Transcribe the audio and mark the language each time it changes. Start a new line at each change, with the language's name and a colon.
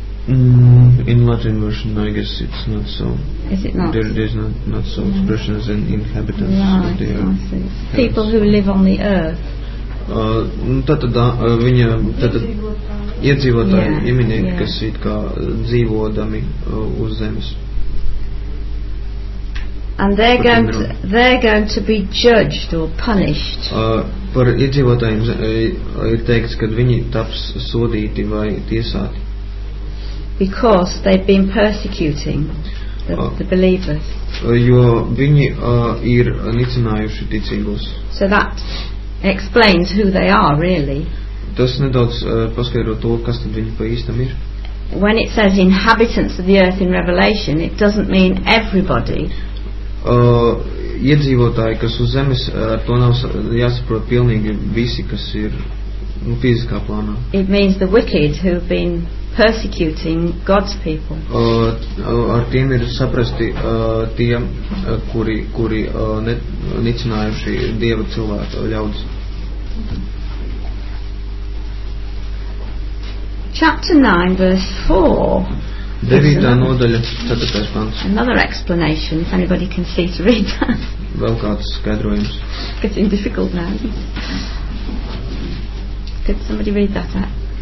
English: In Latin version, I guess it's not so. Is it not? There is not so expression as in inhabitants. Right, there. I see. People who live on the earth.
Latvian: Tātad viņa tātad iedzīvotāji, yeah, ieminieki, yeah, kas it kā dzīvodami uz zemes.
English: And they're going to be judged or punished.
Latvian: Par iedzīvotājiem ir teikts, kad viņi taps sodīti vai tiesāti.
English: Because they've been persecuting the believers.
Latvian: Jo viņi ir nicinājuši ticīgos.
English: So that explains who they are, really.
Latvian: Tas nedaudz paskaidro to, kas tad viņi pa īstam ir.
English: When it says inhabitants of the earth in Revelation, it doesn't mean everybody.
Latvian: Iedzīvotāji, kas uz zemes, to nav jāsaprot pilnīgi visi, kas ir fiziskā plānā.
English: It means the wicked who have been persecuting God's people.
Latvian: Ar tiem ir saprasti tiem, kuri nicinājuši Dieva cilvēku ļaudis.
English: Chapter 9, verse 4.
Latvian: Devītā nodaļa, ceturtais pants.
English: Another explanation, if anybody can see to read that.
Latvian: Vēl kāds skaidrojums.
English: Getting difficult now. Could somebody read that out?